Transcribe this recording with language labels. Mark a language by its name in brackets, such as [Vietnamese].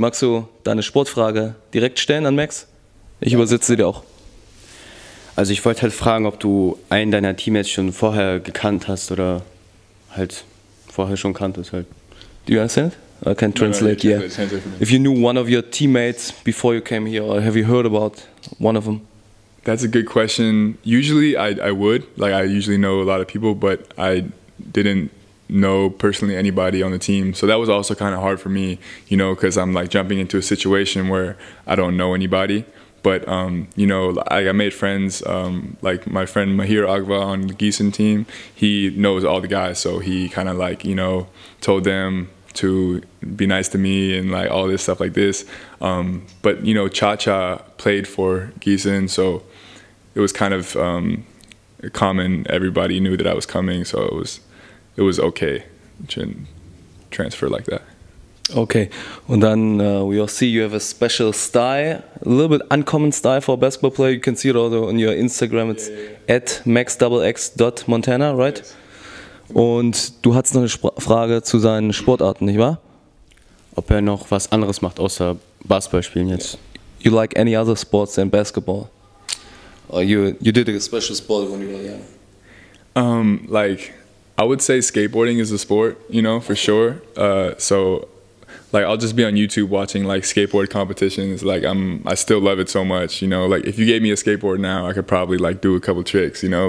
[German] Magst du deine Sportfrage direkt stellen an Max? Ich übersetze sie dir auch. Also ich wollte halt fragen, ob du einen deiner Teammates schon vorher gekannt hast oder halt vorher schon kanntest halt. [English] Do you understand? I can translate, yeah. If you knew one of your teammates before you came here or have you heard about one of them? That's a good question. Usually I would. Like I usually know a lot of people, but I didn't know personally anybody on the team. So that was also kind of hard for me, you know, because I'm like jumping into a situation where I don't know anybody. But, you know, I made friends, like my friend Mahir Agva on the Gießen team, he knows all the guys. So he kind of like, you know, told them to be nice to me and like all this stuff like this. But, you know, Cha-Cha played for Gießen. So it was kind of common. Everybody knew that I was coming. So it was okay to transfer like that. Okay, and then we all see you have a special style, a little bit uncommon style for a basketball player. You can see it also on your Instagram. It's at maxxx.montana, right? Yes. [German] Und du hattest noch eine Frage zu seinen Sportarten, nicht wahr? Ob er noch was anderes macht außer Basketball spielen jetzt? [English] You like any other sports than basketball? Or you did a special sport when you were young? Like, I would say skateboarding is a sport, you know, for sure. So like I'll just be on YouTube watching like skateboard competitions. Like I still love it so much, you know. Like if you gave me a skateboard now, I could probably like do a couple tricks, you know.